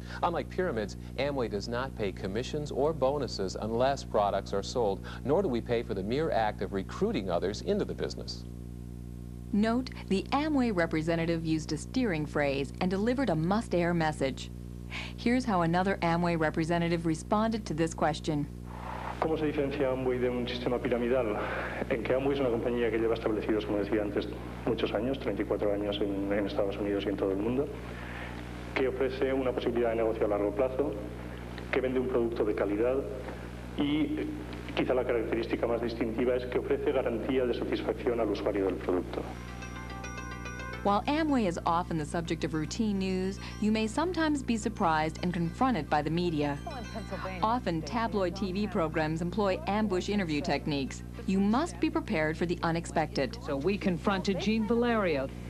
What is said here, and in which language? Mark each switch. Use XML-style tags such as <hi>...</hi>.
<en>Unlike pyramids, Amway does not pay commissions or bonuses unless products are sold, nor do we pay for the mere act of recruiting others into the business. Note, the Amway representative used a steering phrase and delivered a must-air message. Here's how another Amway representative responded to this question.</en> <es>¿Cómo se diferencia Amway de un sistema piramidal? En que Amway es una compañía que lleva establecidos, como decía antes, muchos años, 34 años en Estados Unidos y en todo el mundo, que ofrece una posibilidad de negocio a largo plazo, que vende un producto de calidad y quizá la característica más distintiva es que ofrece garantía de satisfacción al usuario del producto.</es> <en>While Amway is often the subject of routine news, you may sometimes be surprised and confronted by the media. Often, tabloid TV programs employ ambush interview techniques. You must be prepared for the unexpected. So we confronted Gene Valerio.</en>